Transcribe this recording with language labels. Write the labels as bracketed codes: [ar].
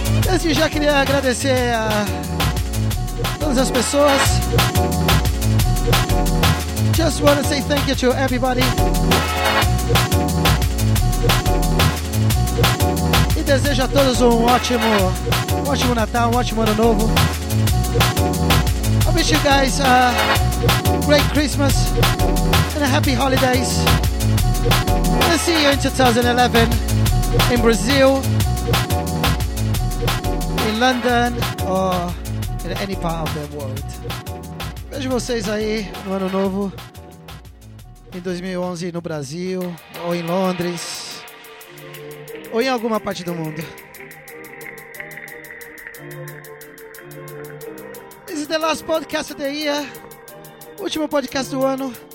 [pt] Antes de já queria agradecer a todas as pessoas. [en] Just want to say thank you to everybody. [pt] E desejo a todos um ótimo Natal, um ótimo Ano Novo. [en] I wish you guys a great Christmas and a happy holidays. And see you in 2011 in Brazil, in London, or in any part of the world. [pt] Vejo vocês aí no Ano Novo, em 2011 no Brasil, ou em Londres, ou em alguma parte do mundo. [en] This is the last podcast of the year, [pt] último podcast do ano.